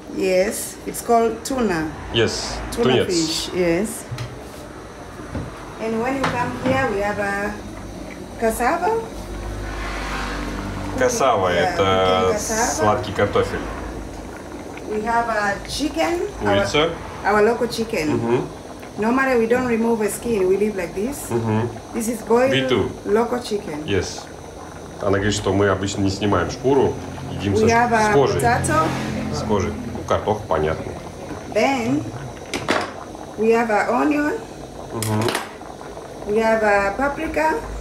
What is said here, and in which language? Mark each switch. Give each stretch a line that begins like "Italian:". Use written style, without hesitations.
English: Yes, it's called tuna. Yes, tuna
Russian: Тунец.
English: Fish, yes. And when you come here, we have a cassava.
Russian: Кассава – это сладкий картофель.
English: We have a chicken.
Russian: Курица.
English: Our local chicken. Uh-huh. Normally we don't remove a skin, we leave like this. Uh-huh. This is boiled local chicken. Yes.
Russian: Она говорит, что мы обычно не снимаем шкуру, едим с кожей.
English: Potato.
Russian: С кожей. Ну, картофель, понятно.
English: Then we have a onion. Uh-huh. We have a paprika.